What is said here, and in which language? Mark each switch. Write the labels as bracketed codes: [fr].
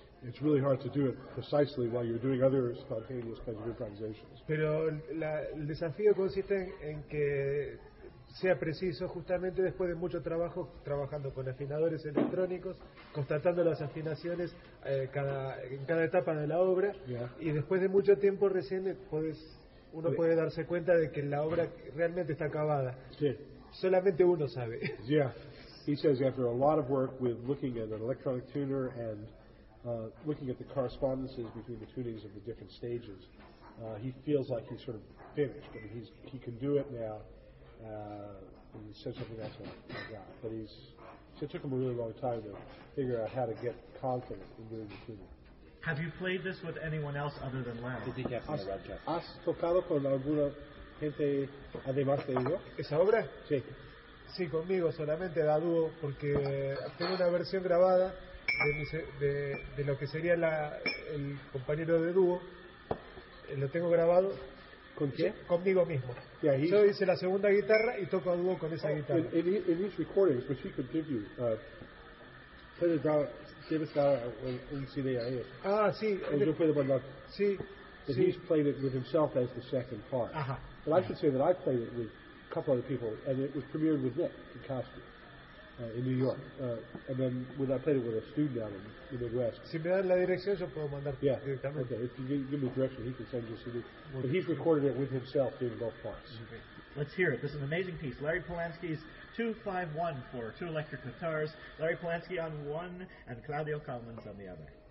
[en] it's really hard to do it precisely while you're doing other spontaneous kinds of improvisations. [es] Pero la, el desafío consiste en que sea preciso justamente después de mucho trabajo trabajando con afinadores electrónicos, constatando las afinaciones en cada etapa de la obra, yeah. Y después de mucho tiempo recién puede darse cuenta de que la obra realmente está acabada. Sí. Solamente uno sabe. Yeah. [en] He says after a lot of work with looking at an electronic tuner and looking at the correspondences between the tunings of the different stages, he feels like he's sort of finished. I mean, he can do it now. And he said something else like that. But it took him a really long time to figure out how to get confident in doing the tuning. Have you played this with anyone else other than Lam? [es] ¿Has tocado con alguna gente además de yo? ¿Esa obra? Sí. Sí, conmigo, solamente a dúo, porque tengo una versión grabada de lo que sería el compañero de dúo. Lo tengo grabado. ¿Con quién? Conmigo mismo. Yeah, yo hice la segunda guitarra y toco a dúo con esa guitarra. En sus [en] recordings, which he could give you, [es] debes dar un CD a él. Ah, sí. Y yo puedo mandar. Sí. [en] But he's played it with himself as the second part. Ajá. But I should say that I played it with a couple other people, and it was premiered with Nick in Castro, in New York. And then I played it with a student down in the Midwest. [es] Si me dan la dirección, yo puedo mandar directamente. [en] Okay, if you give me direction, he can send you a CD. But he's recorded it with himself doing both parts. Okay. Let's hear it. This is an amazing piece. Larry Polanski's 251 for two electric guitars. Larry Polanski on one, and Claudio Collins on the other.